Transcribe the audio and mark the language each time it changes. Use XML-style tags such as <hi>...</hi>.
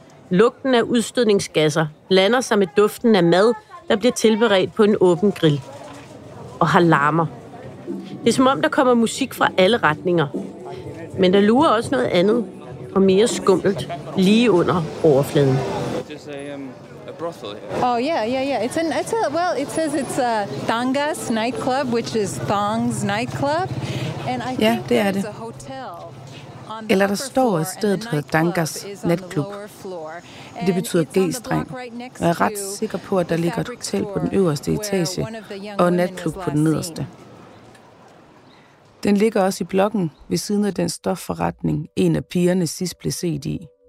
<da>Lugten af udstødningsgasser blander sig med duften af mad, der bliver tilberedt på en åben grill. Og har larmer. Det er som om, der kommer musik fra alle retninger. Men der lurer også noget andet og mere skummelt lige under overfladen.</da> <en>Oh yeah. It says it's a Tangas nightclub, which is Thongs nightclub. And I think</en> <da>det er det. Eller der står et sted, der hedder Dangas natklub. Det betyder G-streng. Jeg er ret sikker på, at der ligger et hotel på den øverste etage og natklub på den nederste. Den ligger også i blokken ved siden af den stofforretning, en af pigerne sidst blev set i.</da>